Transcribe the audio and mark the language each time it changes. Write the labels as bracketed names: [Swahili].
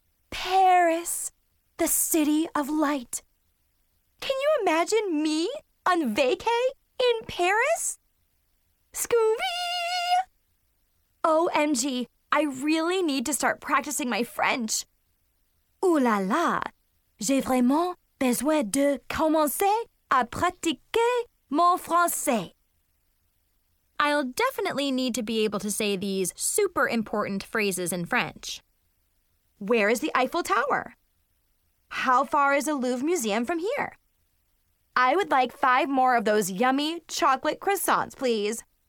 [English] Paris, the city of light. Can you imagine me on vacay in Paris? Scooby! OMG, I really need to start practicing my French. [French] Ooh la la, j'ai vraiment besoin de commencer à pratiquer mon français. [English] I'll definitely need to be able to say these super important phrases in French. Where is the Eiffel Tower? How far is the Louvre Museum from here? I would like 5 more of those yummy chocolate croissants, please.